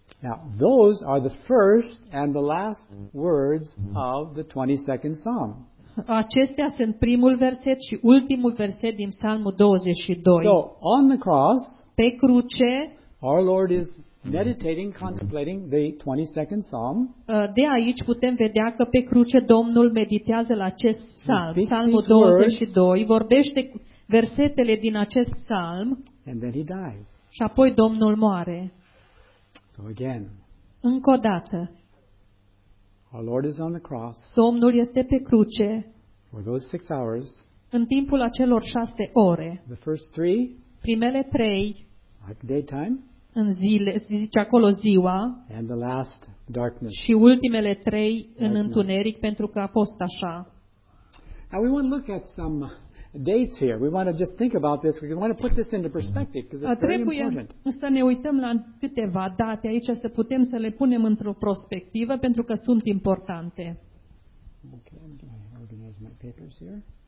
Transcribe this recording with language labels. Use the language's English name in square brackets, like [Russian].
[English] Now, those are the first and the last words of the 22nd Psalm. [Romanian] Acestea sunt primul verset și ultimul verset din Psalmul 22. [English] So, on the cross, [Romanian] pe cruce, [English] our Lord is meditating, contemplating the 22nd Psalm. [Romanian] De aici putem vedea că pe cruce Domnul meditează la acest psalm, Psalmul 22, vorbește versetele din acest psalm. [English] And then he dies. [Romanian] Și apoi Domnul moare. [English] So again. [Romanian] Încă o dată. [English] Our Lord is on the cross. [Romanian] Domnul este pe cruce. [English] For those 6 hours. [Romanian] În timpul acelor 6 ore. [English] The first 3. [Romanian] Primele 3. [English] Like daytime. [Romanian] În zile, zice acolo ziua. [English] And the last darkness. [Romanian] Și ultimele 3 în întuneric, pentru că a fost așa. [English] Now we want to look at some dates here. We want to just think about this because we want to put this into perspective because it's [Romanian] trebuie [English] very important. [Romanian] Să ne uităm la câteva date aici, să putem să le punem într-o perspectivă pentru că sunt importante. [English] Okay, I'm going to organize my papers here.